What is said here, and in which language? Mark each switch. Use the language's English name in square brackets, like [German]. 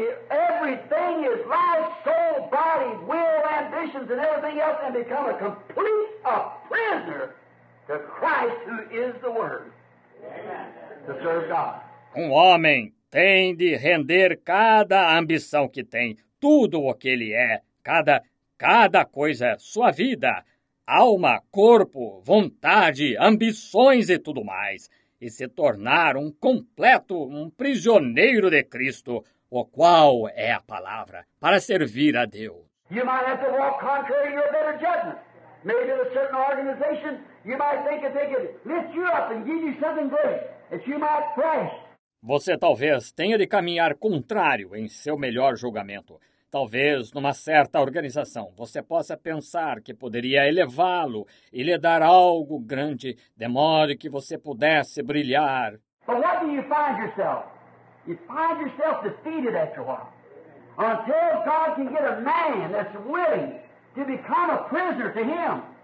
[English] Everything is life, soul, body, will, ambitions, and everything else, and become a complete prisoner to Christ, who is the Word, to serve God. [Portuguese] Um homem tem de render cada ambição que tem, tudo o que ele é, cada coisa, sua vida, alma, corpo, vontade, ambições e tudo mais, e se tornar um completo, prisioneiro de Cristo, o qual é a palavra, para servir a Deus. [English] You might have to walk contrary to your better judgment. Maybe in a certain organization, you might think that they could lift you up and give you something great, that you might crash. [Portuguese] Você talvez tenha de caminhar contrário em seu melhor julgamento. Talvez, numa certa organização, você possa pensar que poderia elevá-lo e lhe dar algo grande, de modo que você pudesse brilhar. [English] But what do you find yourself? You find yourself defeated after a while. Until God can get a man that's willing to become a prisoner to him.